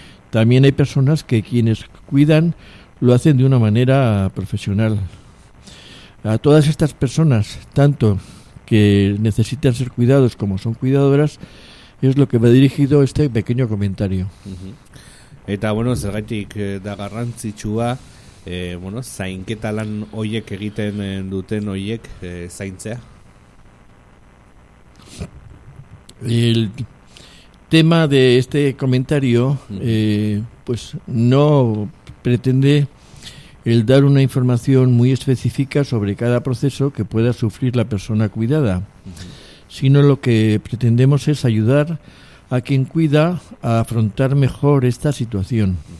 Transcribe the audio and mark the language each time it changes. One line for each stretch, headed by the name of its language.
Spanish: También hay personas que quienes cuidan lo hacen de una manera profesional. A todas estas personas, tanto que necesitan ser cuidados como son cuidadoras, es lo que me ha dirigido este pequeño comentario. Uh-huh.
Basque: Eta, bueno, zergatik da garrantzitsua, bueno, zainketa lan hoiek egiten duten hoiek zaintzea?
Spanish: El tema de este comentario, uh-huh, pues no pretende el dar una información muy específica sobre cada proceso que pueda sufrir la persona cuidada, sino lo que pretendemos es ayudar a quien cuida a afrontar mejor esta situación.